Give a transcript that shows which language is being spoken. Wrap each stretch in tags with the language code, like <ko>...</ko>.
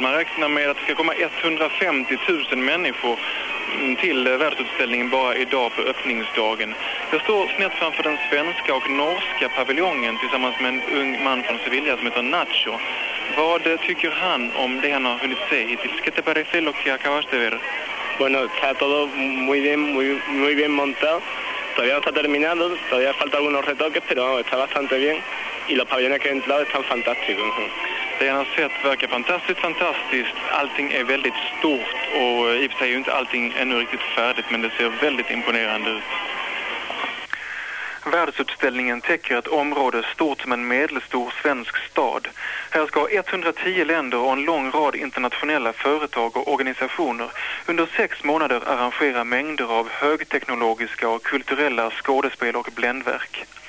<sv>Man räknar med att det ska komma 150 000 människor till världsutställningen bara idag på öppningsdagen. Jag står snett framför den svenska och norska paviljongen tillsammans med en ung man från Sevilla som heter Nacho. Vad tycker han om det han har hunnit se hittills?</sv> <es>¿Qué te parece lo que acabas de ver? Bueno, está todo muy bien montado. Todavía no está terminado, todavía falta algunos retoques, pero está bastante bien. Y los paviljones que he entrado están fantásticos.</es> <sv>Det han har sett verkar fantastiskt. Allting är väldigt stort och i sig är ju inte allting ännu riktigt färdigt, men det ser väldigt imponerande ut. Världsutställningen täcker ett område stort som en medelstor svensk stad. Här ska 110 länder och en lång rad internationella företag och organisationer under 6 månader arrangera mängder av högteknologiska och kulturella skådespel och bländverk.</sv>